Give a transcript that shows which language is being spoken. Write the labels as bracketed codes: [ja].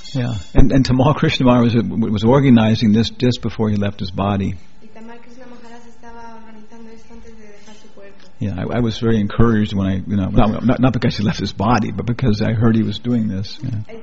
[en] Yeah, and Tamal Krishnamahara was organizing this just before he left his body. [es] Y Tamal Krishnamahara estaba organizando esto antes de dejar su cuerpo. [en] Yeah, I was very encouraged when I, you know, not because he left his body, but because I heard he was doing this. Yeah.